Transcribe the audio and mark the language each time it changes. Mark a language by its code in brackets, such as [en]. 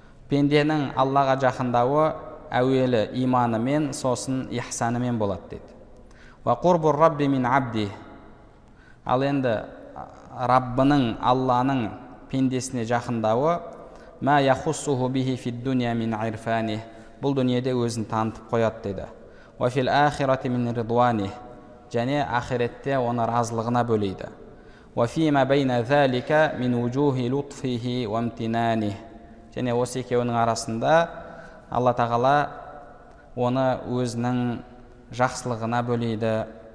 [kk] Пенденің Аллаға жақындауы әуелі иманымен, сосын ихсанымен болады, дейді. [ar] «Ва құрбул рабби мин абди». [kk] Ал енді Раббының, Алланың пендесіне жақындауы, [ar] «Ма яхуссуху бихи фид дуния мин ирфани». [kk] Бұл дүниеде өзін танытып қояды, дейді. [ar] «Ва фил ахирати мин ридуани». [kk] Және ахиретте оны разылығына бөлейді. [ar] «Ва фима бейна зәлика мин вужухи лутфихи вамтинани». [kk] Және осы екеуінің арасында Алла Тағала оны өзінің жақсылығына бөлейді.